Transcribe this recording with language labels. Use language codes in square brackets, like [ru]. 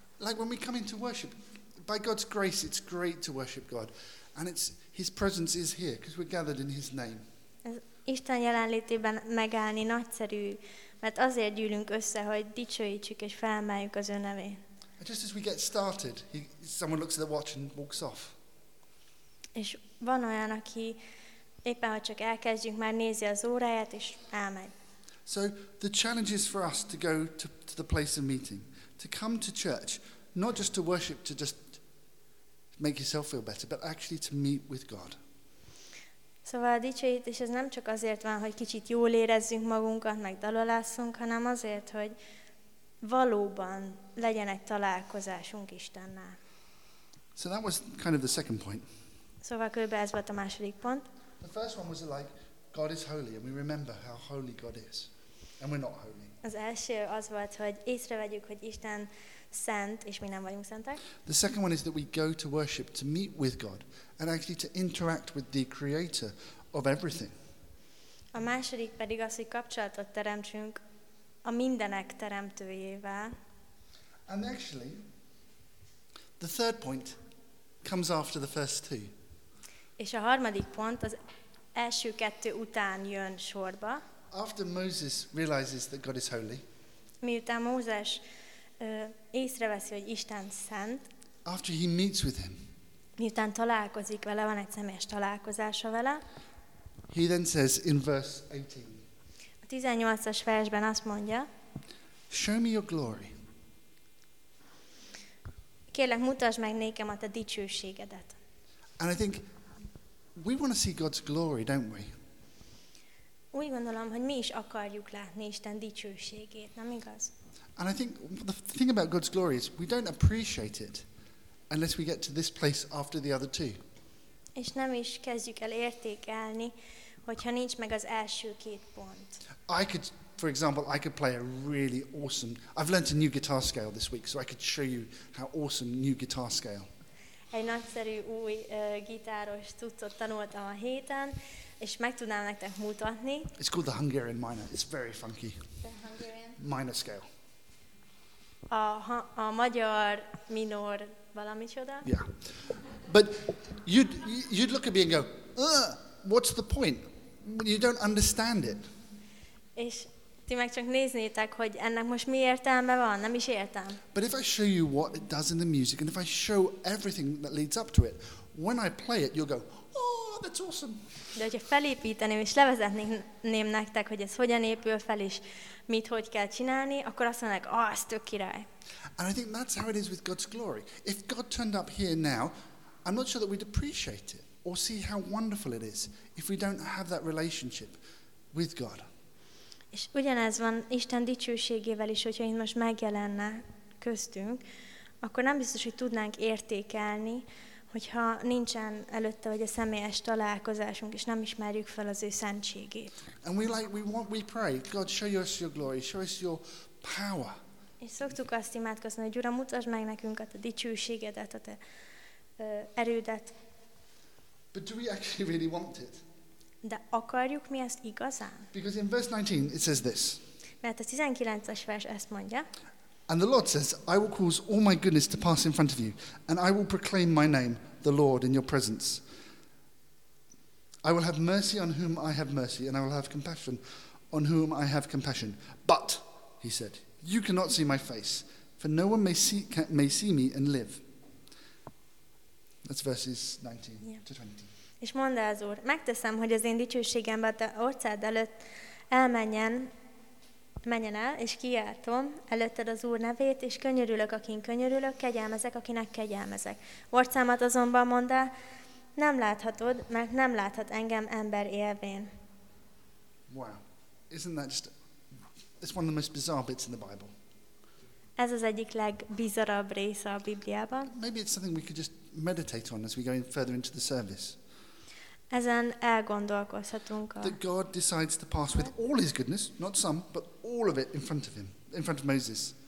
[en] Like when we come into worship, by God's grace, it's great to worship God. And it's His presence is here, because we're gathered in His name. [hu] Ez Isten jelenlétében megállni nagyszerű, mert azért gyűlünk össze, hogy dicsőítsük és felemeljük az ő nevét. [en] And just as we get started, someone looks at the watch and walks off. [hu] És van olyan, aki éppen, hogy csak elkezdjük, már nézi az óráját, és elmegy. [en] So the challenge is for us to go to the place of meeting, to come to church, not just to worship, to just make yourself feel better, but actually to meet with God. [hu] Szóval a dicsőítés ez nem csak azért van, hogy kicsit jól érezzünk magunkat, meg dalolászunk, hanem azért, hogy valóban legyen egy találkozásunk Istennel. [en] So that was kind of the second point. [hu] Szóval kb. Ez volt a második pont. [en] The first one was like, God is holy, and we remember how holy God is, and we're not holy. [hu] Az első az volt, hogy észrevegyük, hogy Isten szent, és mi nem vagyunk szentek. [en] The second one is that we go to worship, to meet with God, and actually to interact with the creator of everything. [hu] A második pedig az, hogy kapcsolatot teremtsünk a mindenek teremtőjével. [en] And actually, the third point comes after the first two. [hu] És a harmadik pont az első kettő után jön sorba. [en] After Moses realizes that God is holy. [hu] Miután Mózes észreveszi, hogy Isten szent. [en] After he meets with him. [hu] Miután találkozik vele, van egy személyes találkozása vele. [en] He then says in verse 18. [hu] A 18-as versben azt mondja. [en] Show me your glory. [hu] Kérlek, mutasd meg nékem a te dicsőségedet. [en] And I think we want to see God's glory, don't we? [hu] Úgy gondolom, hogy mi is akarjuk látni Isten dicsőségét, nem igaz? [en] And I think the thing about God's glory is we don't appreciate it unless we get to this place after the other two. [hu] És nem is kezdjük el értékelni, hogyha nincs meg az első két pont. [en] I could, for example, I could play a really awesome, I've learned a new guitar scale this week, so I could show you how awesome new guitar scale. [hu] Egy nagyszerű új gitáros tudtot tanultam a héten, és meg tudnám nektek mutatni. [en] It's called the Hungarian minor. It's very funky. The Hungarian minor scale. [hu] A magyar minor valami csoda. [en] Yeah. But you'd look at me and go, what's the point? You don't understand it. [hu] És ti meg csak néznétek, hogy ennek most mi értelme van, nem is értem. [en] But if I show you what it does in the music, and if I show everything that leads up to it, when I play it, you'll go, oh, that's awesome. [hu] De hogyha felépíteném és levezetném nektek, hogy ez hogyan épül fel, és mit hogy kell csinálni, akkor azt mondják, ah, ez tök király. [en] And I think that's how it is with God's glory. If God turned up here now, I'm not sure that we'd appreciate it, or see how wonderful it is, if we don't have that relationship with God. [hu] És ugyanez van Isten dicsőségével is, hogyha itt most megjelenne köztünk, akkor nem biztos, hogy tudnánk értékelni, hogyha nincsen előtte vagy a személyes találkozásunk, és nem ismerjük fel az ő szentségét. [en] And we like, we pray, God, show us your glory, show us your power. [hu] És szoktuk azt imádkozni, hogy Uram, mutasd meg nekünk a te dicsőségedet, a te erődet. [en] But do we actually really want it? [hu] De akarjuk mi ezt igazán? [en] Because in verse 19 it says this. [hu] Mert a 19-es vers ezt mondja. [en] And the Lord says, I will cause all my goodness to pass in front of you, and I will proclaim my name, the Lord, in your presence. I will have mercy on whom I have mercy, and I will have compassion on whom I have compassion. But, he said, you cannot see my face, for no one may see me and live. That's verses 19 to 20. [hu] És mondd el az Úr, megteszem, hogy az én dicsőségembe a te orcád előtt elmenjen, Menjen el, és kiáltom előtted az Úr nevét, és könyörülök, akin könyörülök, kegyelmezek, akinek kegyelmezek. Orcámat azonban mondd el, nem láthatod, mert nem láthat engem ember élvén. [en] Wow. Isn't that just, it's one of the most bizarre bits in the Bible. [hu] Ez az egyik legbizarabb része a Bibliában. [en] Maybe it's something we could just meditate on as we go further into the service. [hu] Ezen elgondolkozhatunk. [en] That God decides to pass with all his goodness, not some, but all of it in front of him, in front of Moses.